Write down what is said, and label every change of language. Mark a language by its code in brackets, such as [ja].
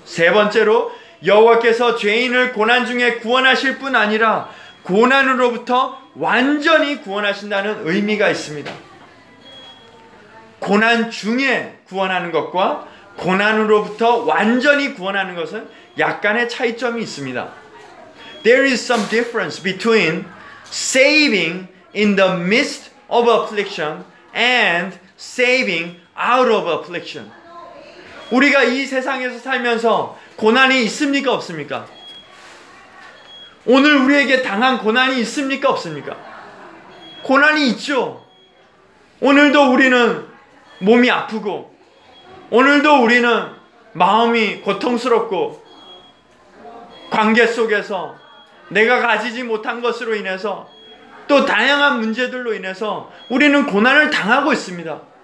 [ko] 세 번째로 여호와께서 죄인을 고난 중에 구원하실 뿐 아니라 고난으로부터 완전히 구원하신다는 의미가 있습니다. 고난 중에 구원하는 것과 고난으로부터 완전히 구원하는 것은 약간의 차이점이 있습니다. [en] There is some difference between saving in the midst of affliction and saving out of affliction. [ko] 우리가 이 세상에서 살면서 고난이 있습니까? 없습니까? 오늘 우리에게 당한 고난이 있습니까? 없습니까? 고난이 있죠. 오늘도 우리는 몸이 아프고 오늘도 우리는 마음이 고통스럽고 관계 속에서 내가 가지지 못한 것으로 인해서 또 다양한 문제들로 인해서 우리는 고난을 당하고 있습니다.